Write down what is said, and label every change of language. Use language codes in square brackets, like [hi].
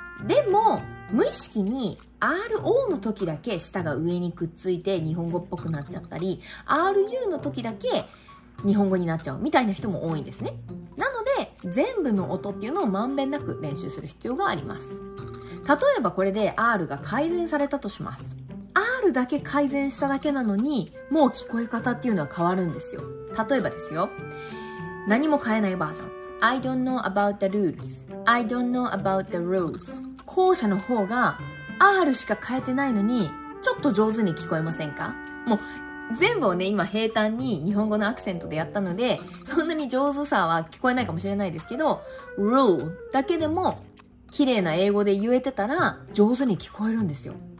[ja] でも無意識に RO の時だけ舌が上にくっついて日本語っぽくなっちゃったり、 RU の時だけ日本語になっちゃうみたいな人も多いんですね。なので全部の音っていうのをまんべんなく練習する必要があります。例えばこれで R が改善されたとします。R だけ改善しただけなのに、もう聞こえ方っていうのは変わるんですよ。例えばですよ、何も変えないバージョン、 [en] I don't know about the rules [ja] I don't know about the rules。後者の方が R しか変えてないのにちょっと上手に聞こえませんか？もう全部をね、今平坦に日本語のアクセントでやったので、そんなに上手さは聞こえないかもしれないですけど、 rule だけでも綺麗な英語で言えてたら上手に聞こえるんですよ。